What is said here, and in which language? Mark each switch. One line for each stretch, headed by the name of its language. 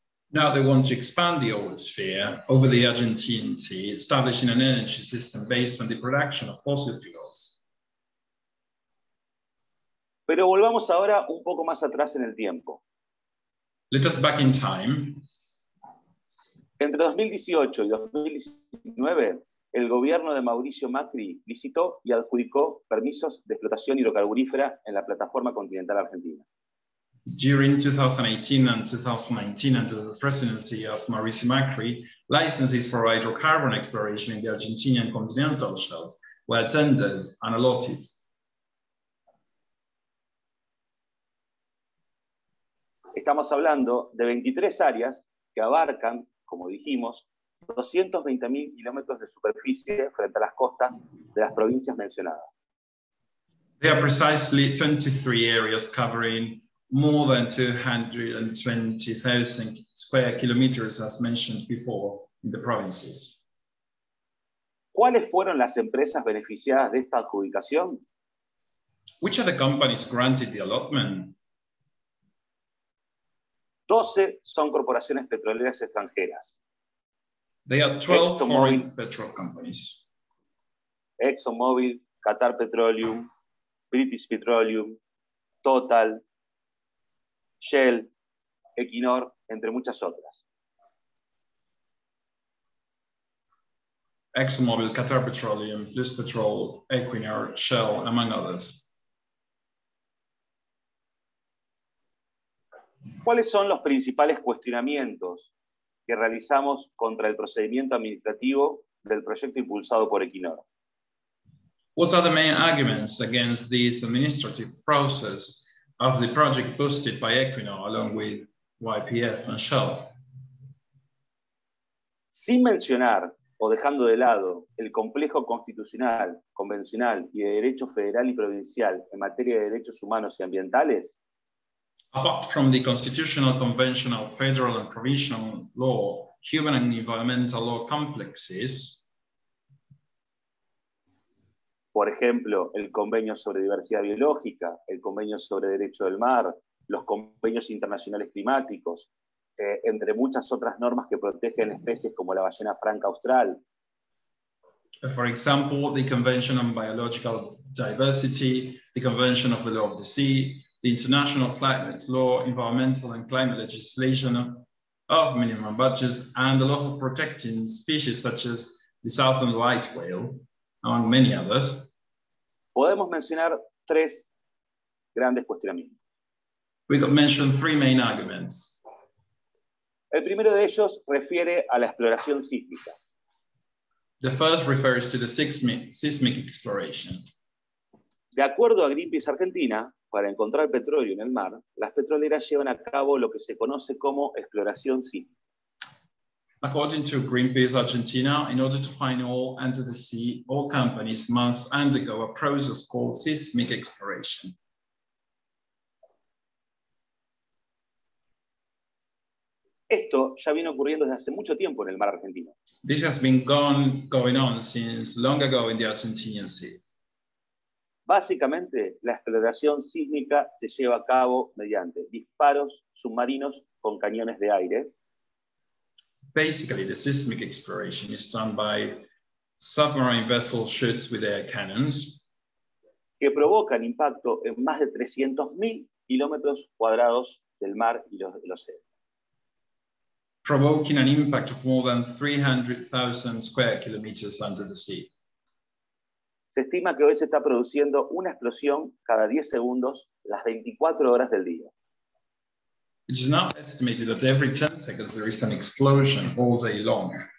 English: Now they want to expand the oil sphere over the Argentine Sea, establishing an energy system based on the production of fossil fuels.
Spanish: Pero volvamos ahora un poco más atrás en el tiempo.
English: Let us back in time.
Spanish: Entre 2018 y 2019, el gobierno de Mauricio Macri licitó y adjudicó permisos de explotación hidrocarburífera en la plataforma continental argentina.
English: During 2018 and 2019, under the presidency of Mauricio Macri, licenses for hydrocarbon exploration in the Argentinian continental shelf were tendered and allotted.
Spanish: Estamos hablando de 23 áreas que abarcan, como dijimos, 220.000 kilómetros de superficie frente a las costas de las provincias mencionadas.
English: There are precisely 23 areas covering more than 220,000 square kilometers, as mentioned before, in the provinces.
Spanish: ¿Cuáles fueron las empresas beneficiadas de esta adjudicación?
English: Which are the companies granted the allotment?
Spanish: 12 son corporaciones petroleras extranjeras.
English: They are 12 foreign petrol companies.
Spanish: ExxonMobil, Qatar Petroleum, British Petroleum, Total, Shell, Equinor, entre muchas otras.
English: ExxonMobil, Qatar Petroleum, British Petrol, Equinor, Shell, among others.
Spanish: ¿Cuáles son los principales cuestionamientos que realizamos contra el procedimiento administrativo del proyecto impulsado por Equinor?
English: What are the main arguments against this administrative process of the project boosted by Equinor along with YPF and Shell?
Spanish: Sin mencionar o dejando de lado el complejo constitucional, convencional y de derecho federal y provincial en materia de derechos humanos y ambientales,
English: apart from the constitutional, conventional, federal and provincial law, human and environmental law complexes, for example,
Spanish: el convenio sobre diversidad biológica, el convenio sobre derecho del mar, los convenios internacionales climáticos, entre muchas otras normas que protegen especies como la ballena franca austral.
English: For example, the Convention on Biological Diversity, the Convention of the Law of the Sea, the international climate law, environmental and climate legislation of minimum budgets, and the law of protecting species such as the southern right whale, among many others.
Spanish: Podemos mencionar tres grandes cuestionamientos.
English: We could mention three main arguments.
Spanish: El primero de ellos refiere a la exploración sísmica.
English: The first refers to the seismic exploration.
Spanish: De acuerdo a Greenpeace Argentina, para encontrar petróleo en el mar, las petroleras llevan a cabo lo que se conoce como exploración sísmica.
English: According to Greenpeace Argentina, in order to find oil under the sea, oil companies must undergo a process called seismic exploration.
Spanish: Esto ya viene ocurriendo desde hace mucho tiempo en el mar argentino.
English: This has been going on since long ago in the Argentinian Sea.
Spanish: Básicamente, la exploración sísmica se lleva a cabo mediante disparos submarinos con cañones de aire.
English: Basically, the seismic exploration is done by submarine vessel shoots with air cannons.
Spanish: Que provocan impacto en más de 300.000 kilómetros cuadrados del mar y el océano.
English: Provoking an impact of more than 300,000 square kilometers under the sea.
Spanish: Se estima que hoy se está produciendo una explosión cada 10 segundos las 24 horas del día.
English: It is now estimated that every 10 seconds there is an explosion all day long.